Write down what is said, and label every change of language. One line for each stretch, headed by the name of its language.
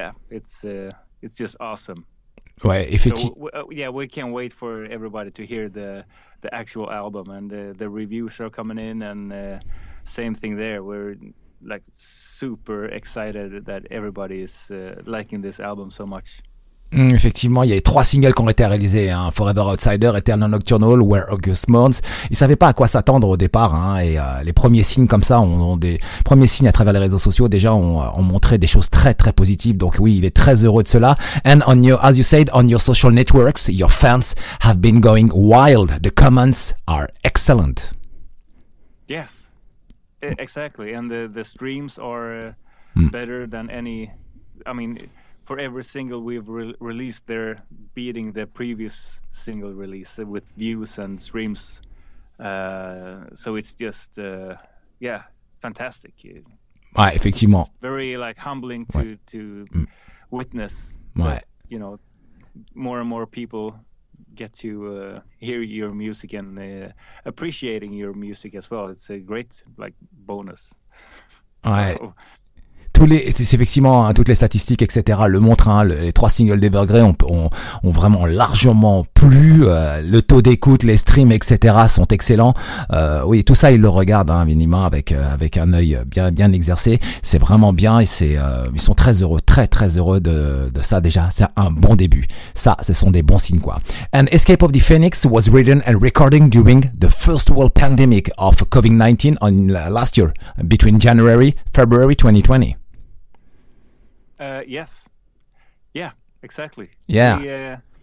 English: It's just awesome.
French: Ouais,
English: We can't wait for everybody to hear the actual album, and the reviews are coming in, and same thing there. We're like super excited that everybody is liking this album so much.
French: Effectivement, il y a trois singles qui ont été réalisés, hein. Forever Outsider, Eternal Nocturnal, Where August Mourns. Ils savaient pas à quoi s'attendre au départ, hein. Et les premiers signes comme ça à travers les réseaux sociaux déjà ont montré des choses très très positives. Donc oui, il est très heureux de cela.
English: And as you said, on your social networks, your fans have been going wild. The comments are excellent. Yes, exactly. And the streams are better than any. I mean, for every single we've released, they're beating the previous single release with views and streams. So it's just, fantastic.
French: Ouais, effectivement.
English: It's very like humbling witness.
French: Ouais.
English: That, you know, more and more people get to hear your music and appreciating your music as well. It's a great like bonus.
French: Ouais. So, toutes les statistiques, etc., le montrent, hein, les trois singles d'Evergrey ont vraiment largement plu, le taux d'écoute, les streams, etc., sont excellents. Oui, tout ça, ils le regardent, hein, Vinima, avec un œil bien, bien exercé. C'est vraiment bien et ils sont très heureux, très, très heureux de ça, déjà. C'est un bon début. Ça, ce sont des bons signes, quoi.
English: And Escape of the Phoenix was written and recorded during the first world pandemic of COVID-19 on last year, between January, February 2020. Yes. Yeah, exactly. Yeah.